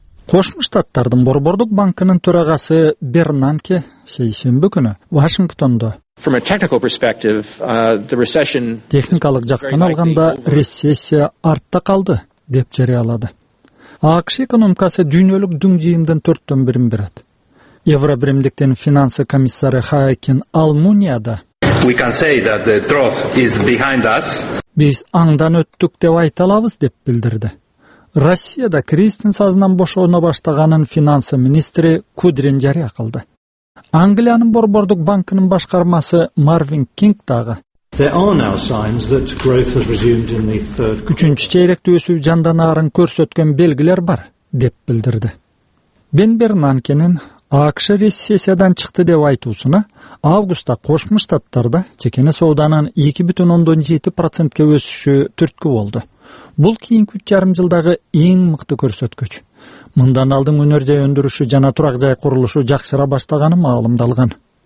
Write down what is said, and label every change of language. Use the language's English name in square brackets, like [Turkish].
[Kyrgyz] Кошмо Штаттардын борбордук банкынын төрагасы Бернанке шейшембү күнү Вашингтондо [English] From a technical perspective, the recession [Kyrgyz] техникалык жактан алганда рецессия артта калды деп жарыялады. АКШ экономикасы дүйнөлүк дүң жыйындын 1/4 берет. Евробиримдиктин финансы комиссары Хайкин Алмунияда [English] We can say that the trough is behind us. [Kyrgyz] Биз аңдан өттүк деп айта алабыз деп билдирди. Россияда кризистин сазынан бошоуна баштаганын финансы министри Кудрин жарыя кылды. Англиянын борбордук банкынын башкармасы Марвин Кинг дагы [English] There are now signs that growth has resumed in the third quarter. [Kyrgyz] 3-чү чейректе өсүү жанданарын көрсөткөн белгилер бар деп билдирди. Бен Бернанкенин АКШ рецессиядан чыкты деп айтуусуна августта Кошмо Штаттарда чекене сооданын 2.7% өсүшү түрткү болду. Бул кийинки 3 жарым жылдагы эң мыкты көрсөткүч. Мындан алдын өнөр жай өндүрүшү жана турак жай курулушу жакшыра баштаганы маалымдалган.